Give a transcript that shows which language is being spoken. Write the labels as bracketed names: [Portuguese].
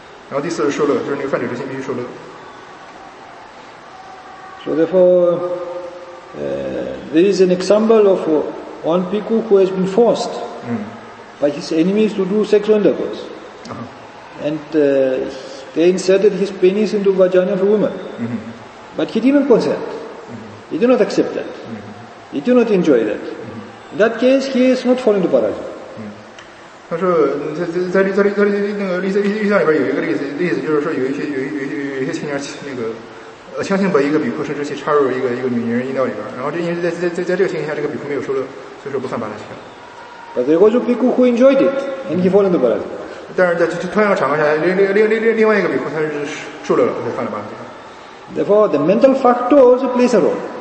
[Chinese] 然后第四是受乐，就是那个犯者之心必须受乐。 [English] So therefore. There is an example of one bhikkhu who has been forced by his enemies to do sexual intercourse. And they inserted his penis into the vagina of a woman. But he didn't consent. He did not accept that. He did not enjoy that. In that case, he is not falling to paraja. [Chinese] 他说在那个例子里边有一个例子，就是说有一些青年那个强行把一个比库生殖器插入一个女人阴道里边，然后这因为在这个情形下，这个比库没有受乐，所以说不算巴拉西卡。 [English] But there was a bhikkhu who enjoyed it, and he fell into paraji. [Chinese] 但是在同样的场合下，另外一个比库他是受乐了，他犯了巴拉西卡。 [English] Therefore, the mental factor also plays a role.